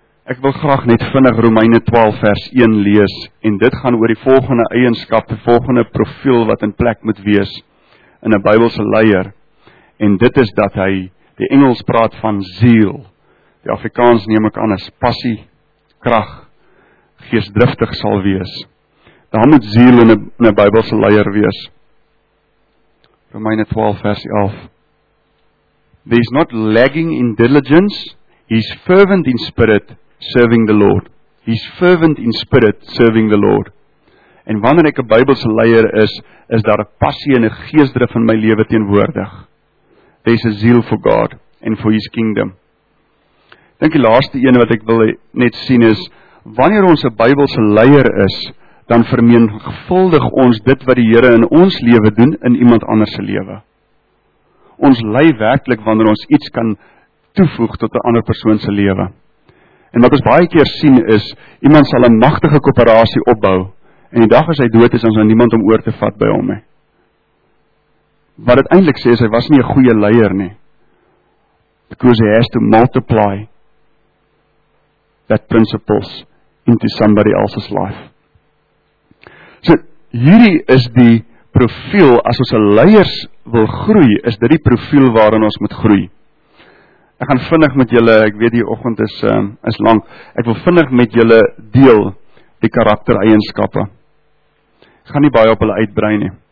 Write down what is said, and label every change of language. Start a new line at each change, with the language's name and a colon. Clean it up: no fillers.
Afrikaans: Ek wil graag net vinnig Romeine 12 vers 1 lees en dit gaan oor die volgende eienskap, die volgende profiel wat in plek moet wees in 'n Bybelse leier. En dit is dat hy, die Engels praat van ziel. Die Afrikaans neem ek aan as passie, krag, geesdriftig sal wees. Daar moet ziel in 'n Bybelse leier wees. Romeine 12 vers 11.
English: There is not lagging in diligence, he is fervent in spirit serving the Lord. He is fervent in spirit serving the Lord.
Afrikaans: En wanneer ek 'n Bybelse leier is, is daar 'n passie en 'n geesdrif in my lewe teenwoordig.
English: There is a zeal for God and for his kingdom.
Afrikaans: Ek dink die laaste een wat ek wil net sien is, wanneer ons 'n Bybelse leier is, dan vermenigvuldig ons dit wat die Here in ons lewe doen in iemand anders se lewe. Ons lei werklik wanneer ons iets kan toevoeg tot 'n ander persoon se lewe. En wat ons baie keer sien is, iemand sal 'n magtige koöperasie opbou en die dag as hy dood is, ons het niemand om oor te vat by hom nie. Wat dit eintlik sê is, hy was nie 'n goeie leier nie.
English: Because he has to multiply that principles into somebody else's life.
Afrikaans: So, hierdie is die profiel, as ons 'n leiers wil groei, is dit die profiel waarin ons moet groei. Ek gaan vinnig met julle, ek weet die oggend is lang, ek wil vinnig met julle deel die karaktereienskappe. Ek gaan nie baie op hulle uitbrei nie.